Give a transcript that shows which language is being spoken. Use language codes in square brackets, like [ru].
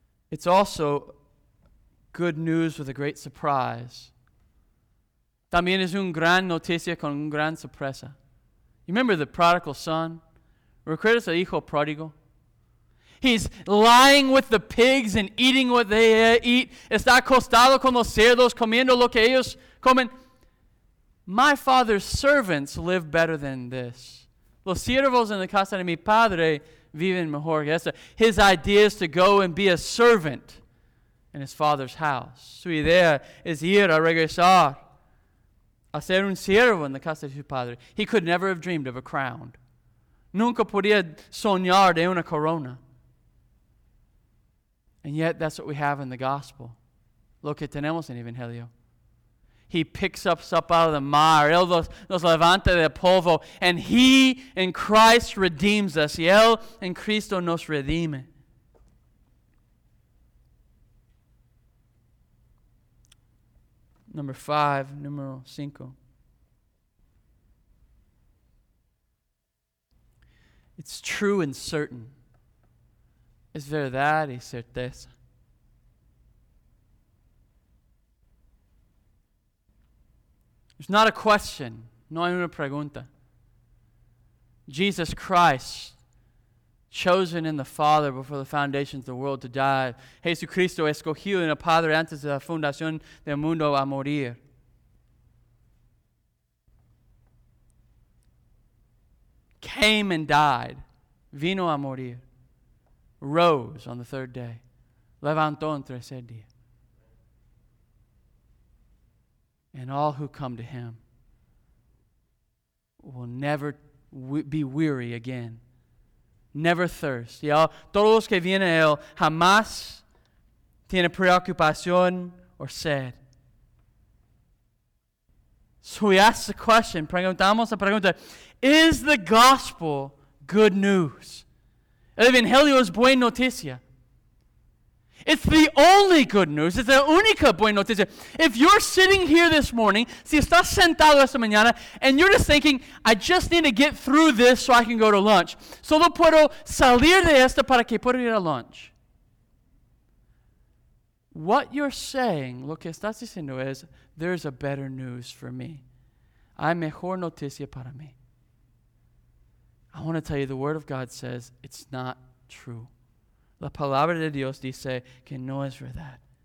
[en] It's also good news with a great surprise. [es] También es un gran noticia con un gran sorpresa. [en] You remember the prodigal son? [es] ¿Recuerdas el hijo pródigo? [en] He's lying with the pigs and eating what they eat. [es] Está acostado con los cerdos comiendo lo que ellos comen. [en] My father's servants live better than this. [es] Los siervos en la casa de mi padre viven mejor que esta. [en] His idea is to go and be a servant in his father's house. [es] Su idea es ir a regresar a ser un siervo en la casa de su padre. [en] He could never have dreamed of a crown. [es] Nunca podía soñar de una corona. [en] And yet that's what we have in the gospel. [es] Lo que tenemos en evangelio. [en] He picks us up out of the mire. [es] Él nos levanta de polvo. [en] And he in Christ redeems us. [es] Y él en Cristo nos redime. Número 5. [en] It's true and certain. [es] Es verdad y certeza. [en] It's not a question. [es] No hay una pregunta. [en] Jesus Christ, chosen in the Father before the foundations of the world to die. [es] Jesucristo escogido en el Padre antes de la fundación del mundo a morir. [en] Came and died. [es] Vino a morir. [en] Rose on the third day. [es] Levantó en tercer día. [en] And all who come to him will never be weary again. Never thirst. [es] Y todos los que vienen a él jamás tienen preocupación o sed. [en] So we ask the question, [es] preguntamos la pregunta, [en] is the gospel good news? [es] El Evangelio es buena noticia. [en] It's the only good news. It's the [es] única buena noticia. [en] If you're sitting here this morning, [es] si estás sentado esta mañana, [en] and you're just thinking, I just need to get through this so I can go to lunch. [es] Solo puedo salir de esto para que pueda ir a lunch. [en] What you're saying, [es] lo que estás diciendo es, [en] there's a better news for me. [es] Hay mejor noticia para mí. [en] I want to tell you, the Word of God says it's not true. [es] La palabra de Dios dice que no es verdad.